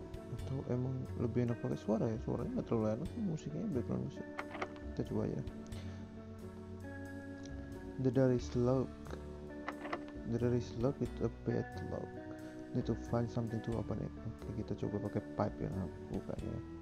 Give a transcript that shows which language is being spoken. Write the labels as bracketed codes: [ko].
[id] Atau emang lebih enak pakai suara ya? Suaranya nggak terlalu enak, musiknya background musik. Kita coba ya. [en] The door is locked. The door is locked. It's a bad lock. Need to find something to open it. [id] Oke, kita coba pakai pipe yang buka ya.